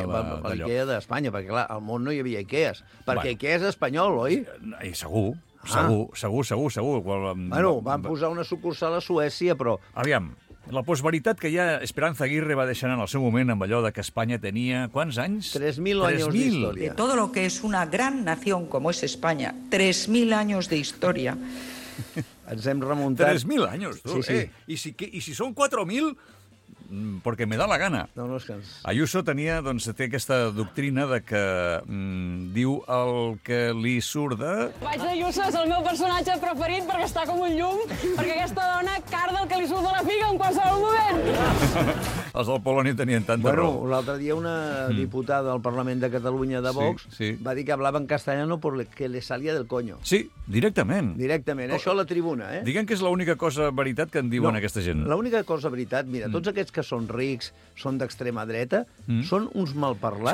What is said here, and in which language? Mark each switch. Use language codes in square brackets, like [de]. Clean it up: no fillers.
[ca] a l'IKEA d'Espanya, perquè clar, al món no hi havia IKEAs. Perquè bueno. IKEA és espanyol, oi? Sí, segur. Ah. Segur. Bueno, van posar una sucursal a Suècia, però... Aviam, la postveritat que ja Esperanza Aguirre va deixar en el seu moment amb allò de que Espanya tenia... Quants anys? 3.000 anys d'història. [es] De todo lo que es una gran nación como es España, [ca] 3.000 anys d'història. Ens hem remuntat... 3.000 anys, tu? Sí, sí. I si són 4.000... perquè [es] me da la gana. [ca] No, no és que ens... Ayuso tenia, doncs, té aquesta doctrina de que diu el que li surt de... Vaig d'Ayuso, és el meu personatge preferit perquè està com un llum, perquè aquesta dona carda el que li surt de la figa en qualsevol moment. Els del Poloni tenien tanta bueno, raó. Bueno, l'altre dia una diputada del Parlament de Catalunya de Vox sí, sí. va dir que [es] hablava en castellano porque le salía del coño. [ca] Sí, directament. Directament, això a la tribuna, eh? Diguem que és l'única cosa veritat que en diuen no, aquesta gent. L'única cosa veritat, mira, tots aquests que són rics, són d'extrema dreta, són uns malparlats.